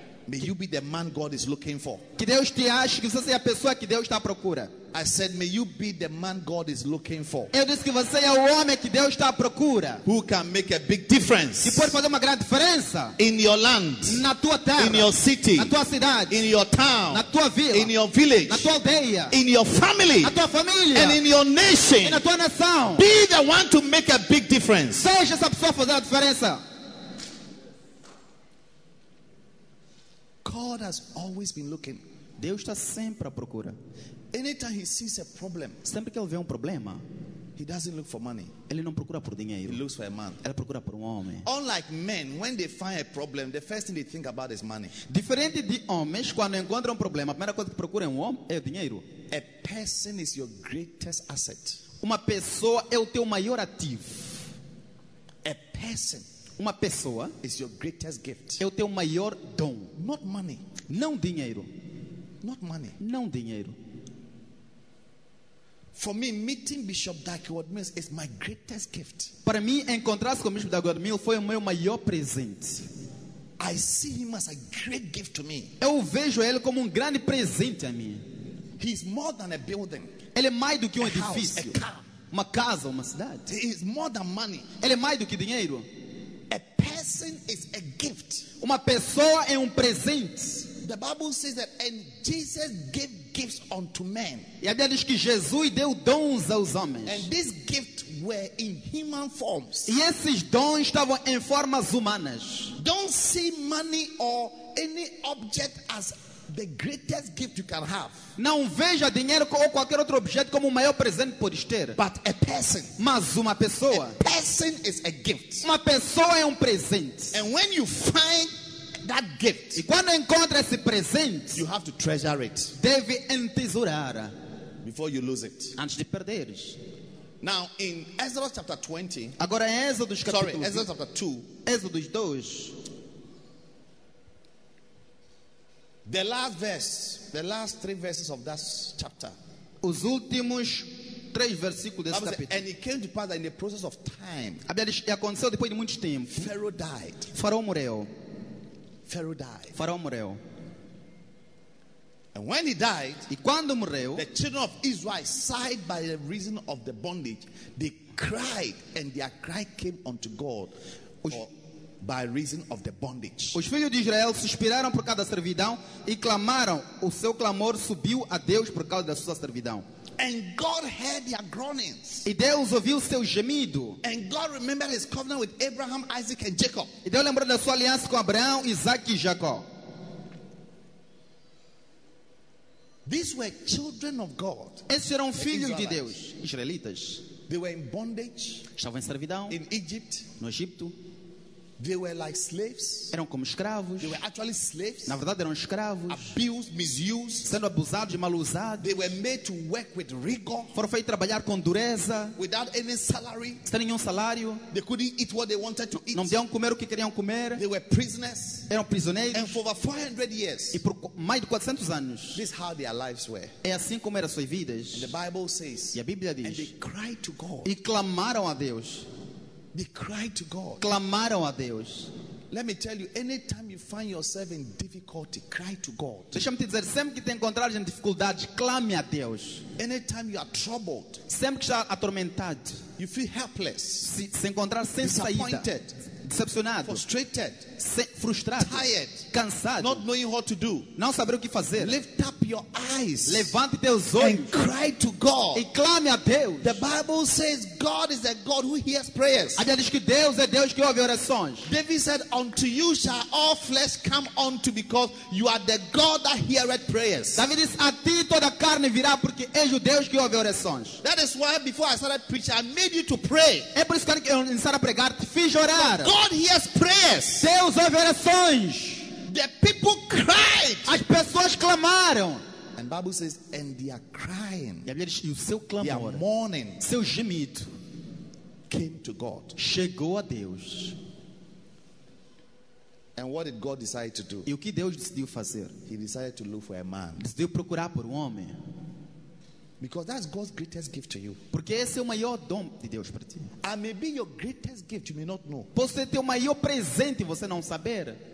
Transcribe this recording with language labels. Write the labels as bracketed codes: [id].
[en] May you be the man God is looking for. [pt] Que Deus te ache, que você seja a pessoa que Deus está à procura. [en] I said, may you be the man God is looking for. [pt] Eu disse que você é o homem que Deus está à procura. [en] Who can make a big difference? [pt] Que pode fazer uma grande diferença. [en] In your land. [pt] Na tua terra. [en] In your city. [pt] Na tua cidade. [en] In your town. [pt] Na tua vila. [en] In your village. [pt] Na tua aldeia. [en] In your family. [pt] Na tua família. [en] And in your nation. [pt] E na tua nação. [en] Be the one to make a big difference. [pt] Seja essa pessoa a fazer a diferença. [en] God has always been looking. [pt] Deus está sempre à procura. [en] Anytime he sees a problem, [pt] sempre que ele vê problema, [en] he doesn't look for money. [pt] Ele não procura por dinheiro. [en] He looks for a man. [pt] Ele procura por homem. [en] Unlike men, when they find a problem, the first thing they think about is money. [pt] Diferente de homens, quando encontram problema, a primeira coisa que procuram é o dinheiro. [en] A person is your greatest asset. [pt] Uma pessoa é o teu maior ativo. [en] A person. [pt] Uma pessoa [en] is your greatest gift. [pt] É o teu maior dom. [en] Not money. [pt] Não dinheiro. [en] Not money. [pt] Não dinheiro. [en] For me, meeting Bishop Dagwood Mills is my greatest gift. [pt] Para mim, encontrar-se com Bishop Dagwood Mills foi o meu maior presente. [en] I see him as a great gift to me. [pt] Eu vejo ele como grande presente a mim. [en] He is more than a building. [pt] Ele é mais do que edifício. [en] House, [pt] uma casa, uma cidade. [en] He is more than money. [pt] Ele é mais do que dinheiro. [en] A person is a gift. [pt] Uma pessoa é presente. [en] The Bible says that, and Jesus gave gifts unto men. [pt] E a Bíblia diz que Jesus deu dons aos homens. [en] And these gifts were in human forms. [pt] E esses dons estavam em formas humanas. [en] Don't see money or any object as the greatest gift you can have. [pt] Não veja dinheiro ou qualquer outro objeto como o maior presente que podes ter. [en] But a person. [pt] Mas uma pessoa. [en] A person is a gift. [pt] Uma pessoa é presente. [en] And when you find that gift, [pt] e quando encontra esse presente, [en] you have to treasure it. [pt] Deve entesourar [en] before you lose it. [pt] Antes de perderes. [en] Now in Exodus chapter 20. [pt] Agora em Êxodo capítulo 20. [en] Sorry, Exodus chapter 2. [pt] Êxodo 2. [en] The last verse, the last three verses of that chapter. [pt] Os últimos três versículos desse capítulo. [en] And it came to pass that in the process of time, [pt] a Bíblia diz, e aconteceu depois de muito tempo, [en] Pharaoh died. [pt] Faraó morreu. [en] Pharaoh died. [pt] Faraó morreu. [en] And when he died, [pt] e quando morreu, [en] the children of Israel sighed by the reason of the bondage. They cried, and their cry came unto God. by reason of the bondage. [pt] Os filhos de Israel suspiraram por causa da servidão e clamaram. O seu clamor subiu a Deus por causa da sua servidão. [en] And God heard their groanings. [pt] E Deus ouviu seu gemido. [en] And God remembered His covenant with Abraham, Isaac, and Jacob. [pt] E Deus lembrou da sua aliança com Abraão, Isaac e Jacó. [en] These were children of God. [pt] Esses eram filhos de Deus, israelitas. [en] They were in bondage. [pt] Estavam em servidão. [en] In Egypt. [pt] No Egito. [en] They were like slaves. [pt] Eram como escravos. [en] They were actually slaves. [pt] Na verdade eram escravos. [en] Abused, misused. [pt] Sendo abusados e mal usados. [en] They were made to work with rigor. [pt] Foram feitos trabalhar com dureza. [en] Without any salary. [pt] Sem nenhum salário. [en] They couldn't eat what they wanted to eat. [pt] Não podiam comer o que queriam comer. [en] They were prisoners. [pt] Eram prisioneiros. [en] And for over 400 years. [pt] E por mais de 400 anos. [en] This is how their lives were. [pt] É assim como eram suas vidas. [en] And the Bible says. [pt] E a Bíblia diz. [en] And they cried to God. [pt] E clamaram a Deus. [en] They cried to God. [pt] Clamaram a Deus. [en] Let me tell you, anytime you find yourself in difficulty, cry to God. [pt] Deixa-me te dizer, sempre que te encontrares em dificuldade, clame a Deus. [en] Anytime you are troubled, [pt] sempre que estás atormentado, [en] you feel helpless, [pt] se encontrar sem saída, decepcionado, [en] frustrated, [pt] frustrado, [en] tired, [pt] cansado, [en] not knowing what to do, [pt] não saber o que fazer. [en] Lift up your eyes, [pt] levante teus olhos, [en] and cry to God, [pt] e clame a Deus. [en] The Bible says God is a God who hears prayers. [pt] A Bíblia diz que Deus é Deus que ouve orações. [en] David said, "Unto you shall all flesh come unto, because you are the God that heareth prayers." [pt] David diz, a ti toda carne virá porque és o Deus que ouve orações. [en] That is why before I started preaching, I made you to pray. [pt] É por isso que eu comecei a pregar, te fiz orar. [en] God hears prayers. [pt] Deus ouve orações. [en] The people cried. [pt] As pessoas clamaram. [en] And Bible says, and their crying. [pt] E a Bíblia diz, o seu clamor. [en] Their mourning. [pt] Seu gemido. [en] Came to God. [pt] Chegou a Deus. [en] And what did God decide to do? [pt] E o que Deus decidiu fazer? [en] He decided to look for a man. [pt] Decidiu procurar por homem. [en] Because that's God's greatest gift to you. [pt] Porque esse é o maior dom de Deus para ti. [en] I may be your greatest gift, you may not know. [pt] Posso ser teu maior presente e você não saber.